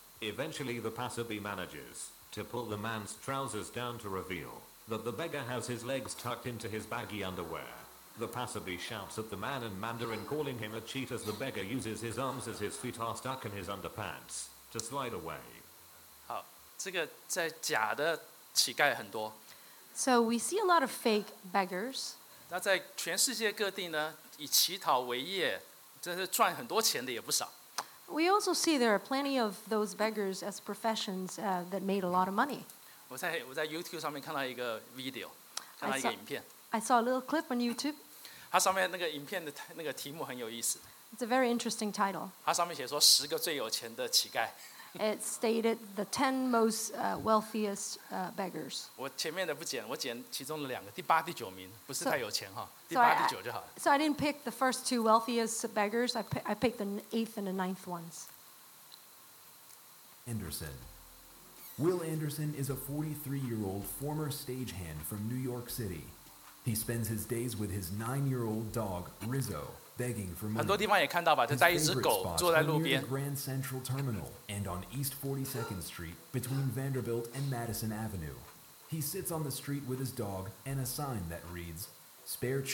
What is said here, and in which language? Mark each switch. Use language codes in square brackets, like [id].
[en] Eventually the passerby manages to pull the man's trousers down to reveal that the beggar has his legs tucked into his baggy underwear. The passerby shouts at the man in Mandarin calling him a cheat as the beggar uses his arms as his feet are stuck in his underpants to slide away. [zh] 好，这个在假的乞丐很多。 [en] So we see a lot of fake beggars. [zh] 那在全世界各地呢，以乞讨为业。但是赚很多钱的也不少。 [en] We also see there are plenty of those beggars as professions that made a lot of money. [zh] 我在 YouTube 上面看到一个 video， 看到一个影片。 [en] I saw a little clip on YouTube. [zh] 它上面那个影片的那个题目很有意思。 [en] It's a very interesting title. [zh] 它上面写说十个最有钱的乞丐。 [en] It stated the 10 most wealthiest beggars. [zh] 我前面的不剪，我剪其中的两个，第八、第九名，不是太有钱哈，第八、第九就好了。 [en] So I didn't pick the first two wealthiest beggars. I picked the eighth and the ninth ones. Anderson. Will Anderson is a 43-year-old former stagehand from New York City. He spends his days with his 9-year-old dog, Rizzo. Begging for money. [zh] 很多地方也看到吧，就带一只狗坐在路边。 [en] Near the Grand Central Terminal and on East 42nd Street between Vanderbilt and Madison Avenue, he sits on the street with his dog and a sign that reads, "Spare change."